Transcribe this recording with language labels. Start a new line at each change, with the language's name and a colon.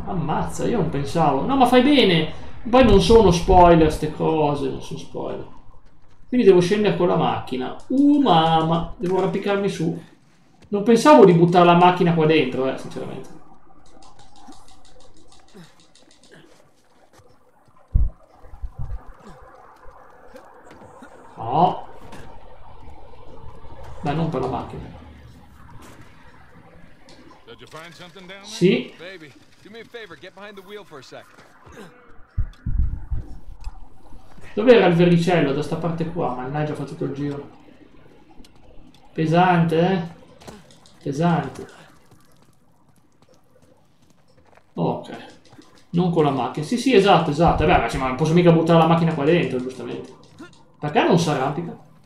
Italian: Ammazza, io non pensavo, no ma fai bene, poi non sono spoiler ste cose, non sono spoiler, quindi devo scendere con la macchina, mamma, devo arrampicarmi su, non pensavo di buttare la macchina qua dentro, sinceramente. No, beh non per la macchina. Sì.
English: Baby, do me a favor, get behind the wheel for a sec.
Italian: Dov'era il vermicello da sta parte qua? Mannaggia, ho fatto tutto il giro. Pesante, eh? Pesante. Ok. Non con la macchina. Sì, sì, esatto, esatto. Vabbè, ma non posso mica buttare la macchina qua dentro, giustamente. Perché non si arrampica?